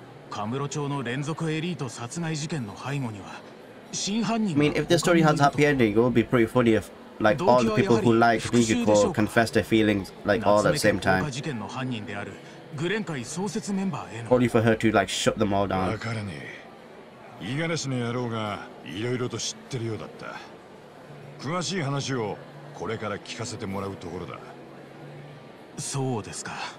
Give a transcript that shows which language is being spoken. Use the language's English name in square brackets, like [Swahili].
[Japanese] カムロ町の連続エリート殺害事件の背後には真犯人が。 [English] I mean, if the story has happy ending, it would be pretty funny if, like, all the people who liked Mikiko confess their feelings, like, all at the same time. [Japanese] 事件の犯人であるグレン会創設メンバーへの。 [English] Only for her to like shut them all down. [Japanese] わからねえ。五十嵐の野郎がいろいろと知ってるようだった。詳しい話をこれから聞かせてもらうところだ。そうですか。